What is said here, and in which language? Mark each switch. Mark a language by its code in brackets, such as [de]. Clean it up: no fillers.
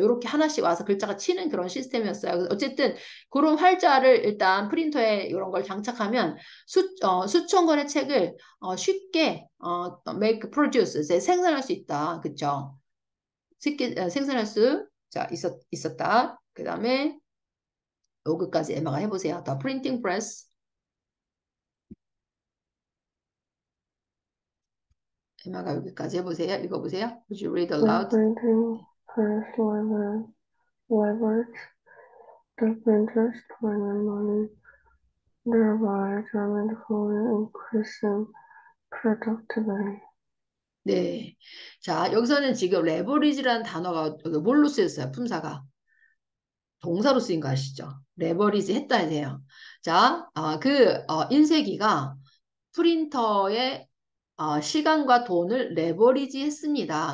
[ko] 이렇게 하나씩 와서 글자가 치는 그런 시스템이었어요. 그래서 어쨌든 그런 활자를 일단 프린터에 이런 걸 장착하면 수천 권의 책을 쉽게 make produce 생산할 수 있다. 그렇죠? 쉽게 생산할 수 있었다. 그다음에 로그까지 에마가 해보세요. [en] The printing press. [ko] 엠마가 여기까지 해보세요. 읽어보세요. [en] Would you read The aloud? printing press leveraged the printer's printing money, thereby dramatically increasing productivity. [ko] 네. 자, 여기서는 지금 레버리지라는 단어가 뭘로 쓰였어요? 품사가. 동사로 쓰인 거 아시죠? 레버리지 했다 해요. 자, 인쇄기가 프린터에 시간과 돈을 레버리지 했습니다.